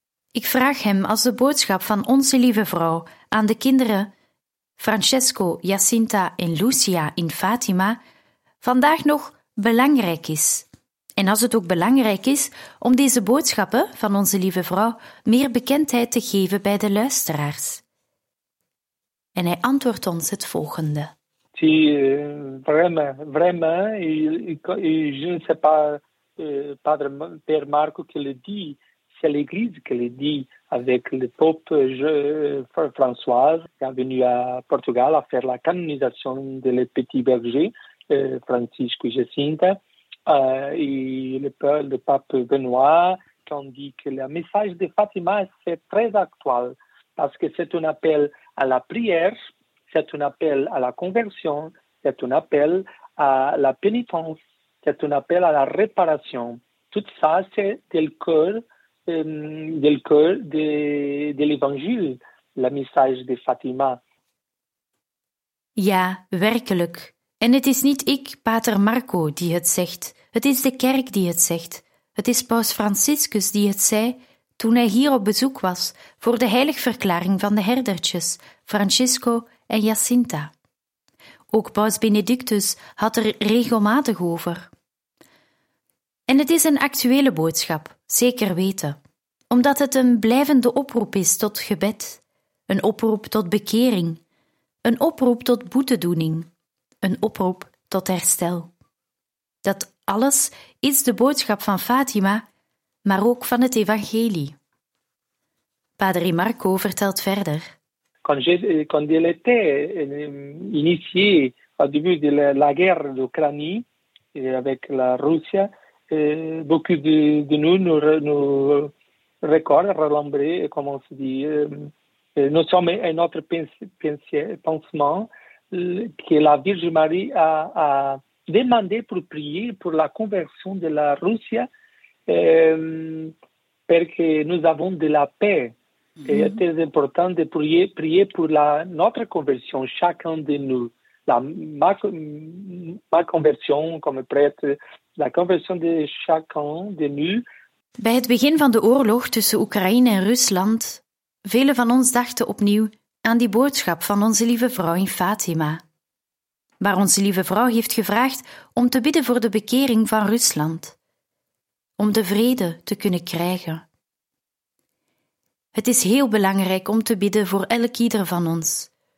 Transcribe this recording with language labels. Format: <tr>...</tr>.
<nl>Ik vraag hem als de boodschap van onze lieve vrouw aan de kinderen Francesco, Jacinta en Lucia in Fatima vandaag nog belangrijk is. En als het ook belangrijk is om deze boodschappen van onze lieve vrouw meer bekendheid te geven bij de luisteraars. En hij antwoordt ons het volgende.</nl> <fr>Si vraiment, et je ne sais pas, Père Marco qui le dit, c'est l'Église qui le dit avec le Pope François qui est venu à Portugal à faire la canonisation des petits bergers, Francisco et Jacinta, et le Pape Benoît qui ont dit que le message de Fatima c'est très actuel parce que c'est un appel à la prière. C'est un appel à la conversion, c'est un appel à la pénitence, c'est un appel à la réparation. Tout ça, c'est du cœur de l'Évangile, le message de Fatima.</fr> <nl>Ja, werkelijk. En het is niet ik, Pater Marco, die het zegt. Het is de kerk die het zegt. Het is Paus Franciscus die het zei toen hij hier op bezoek was voor de heiligverklaring van de herdertjes, Francisco en Jacinta. Ook Paus Benedictus had er regelmatig over. En het is een actuele boodschap, zeker weten, omdat het een blijvende oproep is tot gebed, een oproep tot bekering, een oproep tot boetedoening, een oproep tot herstel. Dat alles is de boodschap van Fatima, maar ook van het evangelie. Padre Marco vertelt verder.</nl> <fr>Quand il était initié au début de la guerre d'Ukraine avec la Russie, beaucoup de nous recordent, relambrer, comment on se dit, nous sommes un autre pensement, que la Virgin Marie a demandé pour prier pour la conversion de la Russie, parce que nous avons de la paix. Mm-hmm. C'est très important de prier pour notre conversion, chacun de nous. Ma conversion comme prêtre, la conversion de chacun de nous.</fr> <nl>Bij het begin van de oorlog tussen Oekraïne en Rusland, velen van ons dachten opnieuw aan die boodschap van onze lieve vrouw in Fatima. Waar onze lieve vrouw heeft gevraagd om te bidden voor de bekering van Rusland. Om de vrede te kunnen krijgen. Het is heel belangrijk om te bidden voor elk ieder van ons.</nl>